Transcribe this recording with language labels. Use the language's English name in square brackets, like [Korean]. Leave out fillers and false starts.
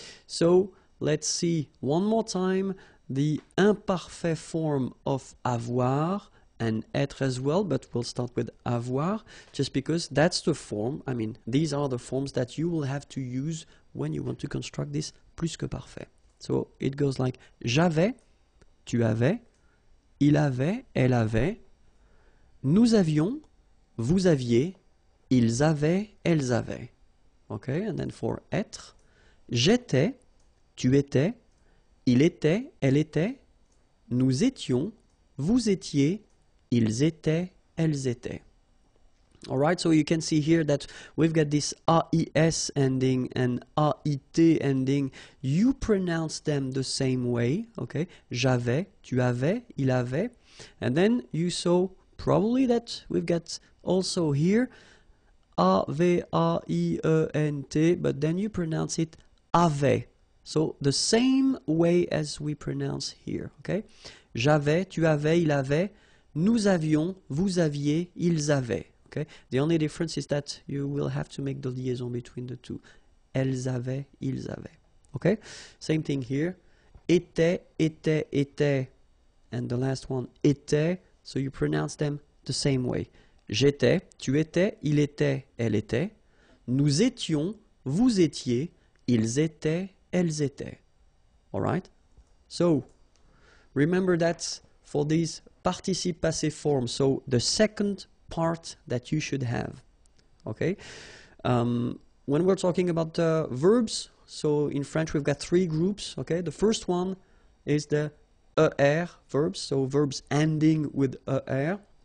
[English] So let's see one more time the imparfait form of avoir, and être as well, but we'll start with avoir, just because that's the form, I mean, these are the forms that you will have to use when you want to construct this plus que parfait. So it goes like, [French] j'avais, tu avais, il avait, elle avait, nous avions, vous aviez, ils avaient, elles avaient. [English] Okay, and then for être, [French] j'étais, tu étais, il était, elle était, nous étions, vous étiez, ils étaient, elles étaient. [English] All right, so you can see here that we've got this A-I-S ending and A-I-T ending. You pronounce them the same way, okay? [French] J'avais, tu avais, il avait. [English] And then you saw probably that we've got also here A-V-A-I-E-N-T, but then you pronounce it avait. So the same way as we pronounce here, okay? [French] J'avais, tu avais, il avait, nous avions, vous aviez, ils avaient. [English] Okay. The only difference is that you will have to make the liaison between the two. [French] Elles avaient, ils avaient. [English] Okay? Same thing here. [French] Était, était, était. [English] And the last one, [French] était. [English] So you pronounce them the same way. [French] J'étais, tu étais, il était, elle était. Nous étions, vous étiez, ils étaient, elles étaient. [English] Alright? So, remember that for these participe passé forms. So, the second part that you should have, okay? When we're talking about verbs, so in French we've got three groups, okay? The first one is the ER verbs, so verbs ending with ER.